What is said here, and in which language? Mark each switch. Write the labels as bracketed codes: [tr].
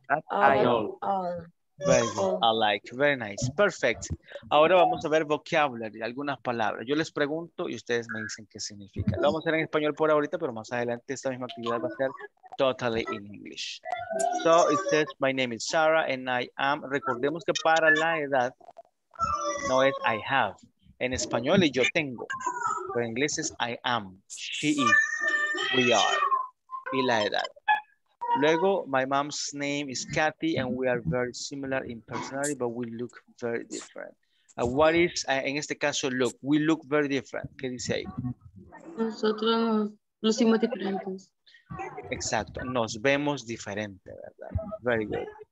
[en] I don't think we are alike at all. Very nice. Perfect. [es] Ahora vamos a ver vocabulary, algunas palabras. Yo les pregunto y ustedes me dicen qué significa. Lo vamos a hacer en español por ahorita, pero más adelante esta misma actividad va a ser [en] totally in English. So it says, my name is Sarah and I am, [es] recordemos que para la edad no es [en] I have. [es] En español es yo tengo. Pero en inglés es [en] I am, she is, we are, [es] y la edad. [en] Luego, my mom's name is Kathy and we are very similar in personality, but we look very different. What is, [es] en este caso, [en] look, we look very different. [es] ¿Qué dice ahí? Nosotros lucimos diferentes. Exacto, nos vemos diferente, ¿verdad? [en] Very good.